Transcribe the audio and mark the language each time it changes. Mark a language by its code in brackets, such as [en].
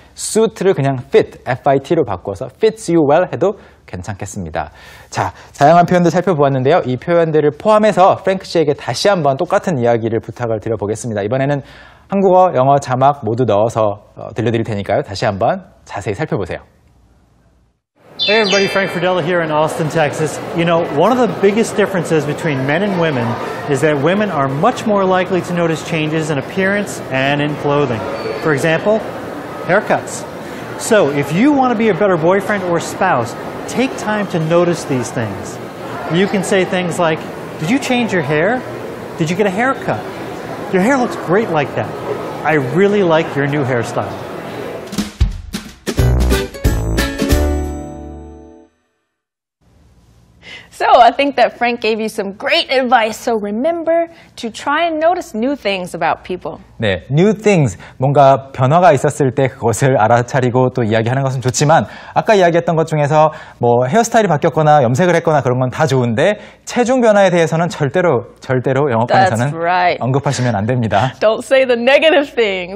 [ko] suit를 그냥 fit, F-I-T로 바꿔서 [en] fits you well [ko] 해도 괜찮겠습니다. 자, 다양한 표현들 살펴보았는데요. 이 표현들을 포함해서 프랭크 씨에게 다시 한번 똑같은 이야기를 부탁을 드려보겠습니다. 이번에는 한국어, 영어 자막 모두 넣어서 들려드릴 테니까요. 다시 한번 자세히 살펴보세요. [en] Hey everybody, Frank Fridella here in Austin, Texas. You know, one of the biggest differences between men and women is that women are much more likely to notice changes in appearance and in clothing. For example, haircuts. So, if you want to be a better boyfriend or spouse, take time to notice these things. You can say things like, did you change your hair? Did you get a haircut? Your hair looks great like that. I really like your new hairstyle. So I think that Frank gave you some great advice. So remember to try and notice new things about people. 네, new things. [ko] 뭔가 변화가 있었을 때 그것을 알아차리고 또 이야기하는 것은 좋지만 아까 이야기했던 것 중에서 뭐 헤어스타일이 바뀌었거나 염색을 했거나 그런 건 다 좋은데 체중 변화에 대해서는 절대로 영어권에서는 [en] right. [ko] 언급하시면 안 됩니다. [en] Don't say the negative things.